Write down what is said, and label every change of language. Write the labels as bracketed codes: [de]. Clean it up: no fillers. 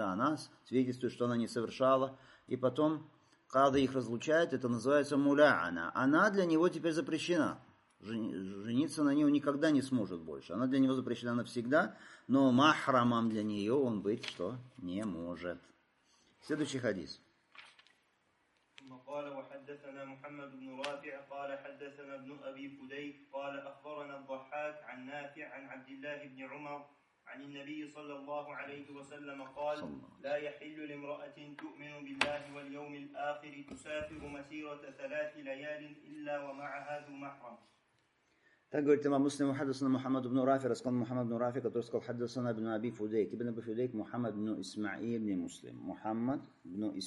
[ru] Да, она свидетельствует, что она не совершала. И потом кады их разлучают, это называется муляна. Она для него теперь запрещена. Жениться на нее никогда не сможет больше. Она для него запрещена навсегда, но махрамом для нее он быть что? Не может. Следующий хадис. [ar] قال وحدثنا محمد بن رافع قال حدثنا ابن أبي فديك قال أخبرنا الضحاك عن نافع عن عبد الله بن عمر عن النبي صلى الله عليه وسلم قال لا يحل لامرأة تؤمن بالله واليوم الآخر تسافر مسيرة ثلاث ليال إلا ومعها ذو محرم. [ru] Так говорит имам Муслим, хадасана Мухаммад ибн Рафи, рассказал Мухаммад ибн Рафи, который сказал хадасана ибн Аби Фудейк. Ибн Аби Фудейк, Мухаммад ибн Исмаиль ибн Муслим.